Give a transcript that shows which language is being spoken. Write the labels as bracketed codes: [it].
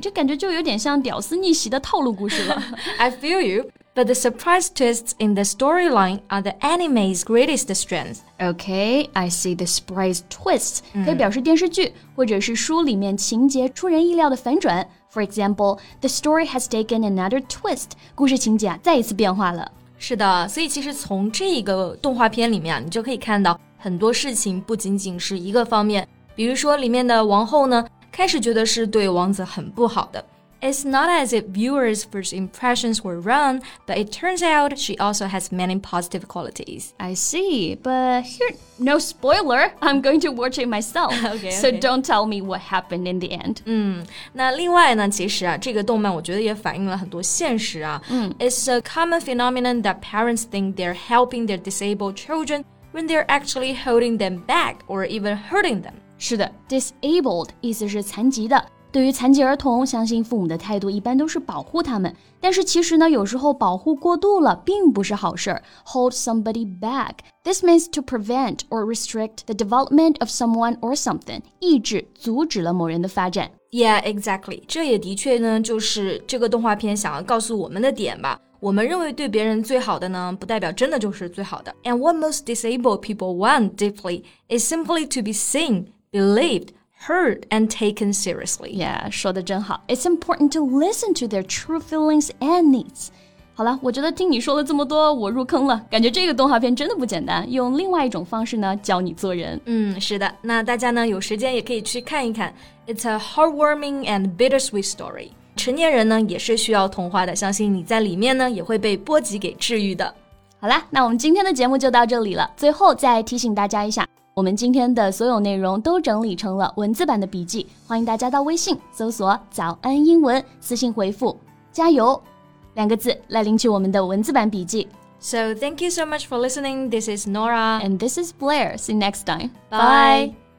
[zh] 这感觉就有点像屌丝逆袭的套路故事了。 [en] I feel you, but the surprise twists in the storyline are the anime's greatest strength. Okay, I see the surprise twists. [zh] 可以表示电视剧，或者是书里面情节出人意料的反转。 [en] For example, the story has taken another twist. [zh] 故事情节啊，再一次变化了。是的，所以其实从这个动画片里面、啊、你就可以看到很多事情不仅仅是一个方面，比如说里面的王后呢，开始觉得是对王子很不好的。 [en] It's not as if viewers' first impressions were wrong, but it turns out she also has many positive qualities. I see, but here, no spoiler, I'm going to watch it myself, okay, so don't tell me what happened in the end. [zh] 那另外呢，其实啊，这个动漫我觉得也反映了很多现实啊。 [en] It's a common phenomenon that parents think they're helping their disabled children when they're actually holding them back or even hurting them. [zh] 是的 ,disabled 意思是残疾的。对于残疾儿童，相信父母的态度一般都是保护他们。但是其实呢，有时候保护过度了并不是好事。 [en] Hold somebody back. This means to prevent or restrict the development of someone or something. [zh] 抑制、阻止了某人的发展。 [en] Yeah, exactly. [zh] 这也的确呢，就是这个动画片想要告诉我们的点吧。我们认为对别人最好的呢，不代表真的就是最好的。 [en] And what most disabled people want deeply is simply to be seen, believed,heard and taken seriously. Yeah, [zh] 说得真好。 [en] It's important to listen to their true feelings and needs. [zh] 好了，我觉得听你说了这么多，我入坑了。感觉这个动画片真的不简单，用另外一种方式呢，教你做人。是的。那大家呢，有时间也可以去看一看。 [en] It's a heartwarming and bittersweet story. [zh] 成年人呢，也是需要童话的。相信你在里面呢，也会被波及给治愈的。好了，那我们今天的节目就到这里了。最后再提醒大家一下，我们今天的所有内容都整理成了文字版的笔记，欢迎大家到微信搜索早安英文，私信回复加油两个字来领取我们的文字版笔记。 [en] So thank you so much for listening. This is Nora. And this is Blair. See you next time. Bye.